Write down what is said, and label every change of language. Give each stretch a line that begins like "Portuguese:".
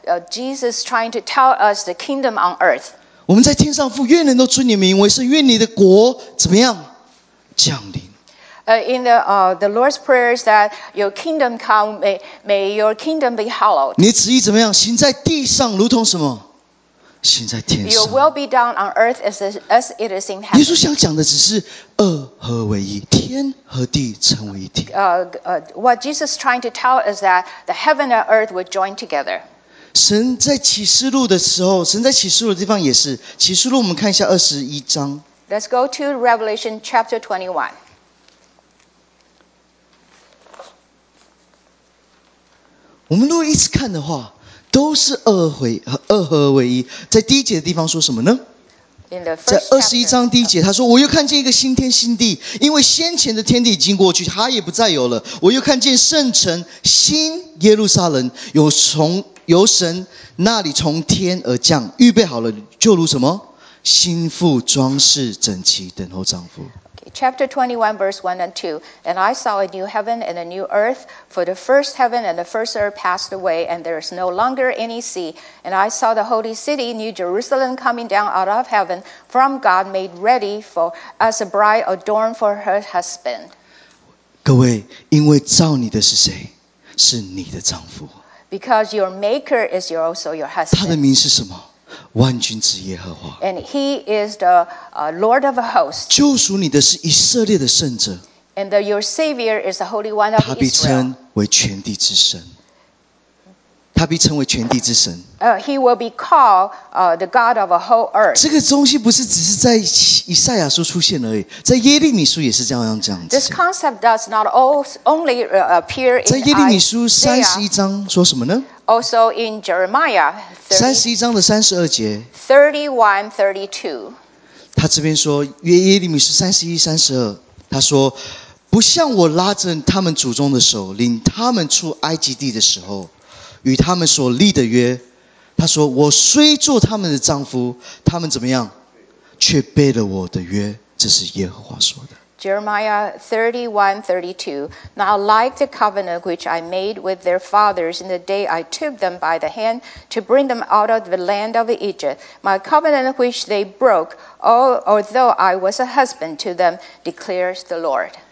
English: Jesus trying to tell us the kingdom on earth.
Chinese: 我们在天上父，愿人都尊你名为圣，愿你的国怎么样降临
English: ？In the Lord's prayer is that your kingdom come, may your kingdom be hallowed.
Chinese: 你的旨意怎么样？行在地上，如同什么？行在天上。
English: Your will be done on earth as it is in heaven.
Chinese: 耶稣想讲的只是二合为一，天和地成为一体。
English: What Jesus is trying to tell is that the heaven and earth would join together.
Chinese: 神在启示录的时候，神在启示录的地方也是。启示录，我们看一下二十一章。
English: Let's go to Revelation chapter 21.
Chinese: 我们如果一直看的话，都是二合为一。在第一节的地方说什么呢？在二十一章第一节，他说：“我又看见一个新天新地，因为先前的天地已经过去，他也不再有了。我又看见圣城新耶路撒冷，由神那里从天而降，预备好了，就如什么新妇装饰整齐，等候丈夫。”
English: Chapter 21, verse 1 and 2. And I saw a new heaven and a new earth, for the first heaven and the first earth passed away, and there is no longer any sea. And I saw the holy city, New Jerusalem, coming down out of heaven from God, made ready for as a bride adorned for her husband.
Chinese: 各位，因为造你的是谁？是你的丈夫。
English: Because your maker is also your husband.
Chinese: 他的名是什么？万军之耶和华。
English: And he is the Lord of hosts.
Chinese: 救赎你的是以色列的圣者。
English: And your Savior is the Holy One of Israel.
Chinese: 他被称为全地之神。他被称为全地之神。
English: He will be called the God of a whole earth.
Chinese: 这个东西不是只是在以赛亚书出现而已，在耶利米书也是这样讲。
English: This concept does not only appear in Isaiah.
Chinese: 在耶利米书三十一章说什么呢？
English: Also in Jeremiah
Chinese: 31章的32节
English: 31-32
Chinese: 他这边说约耶利米是31-32他说不像我拉着他们祖宗的手领他们出埃及地的时候与他们所立的约他说我虽做他们的丈夫他们怎么样却背了我的约这是耶和华说的
English: Jeremiah 31:32. Now, like the covenant which I made with their fathers in the day I took them by the hand to bring them out of the land of Egypt, my covenant which they broke, although I was a husband to them, declares the Lord.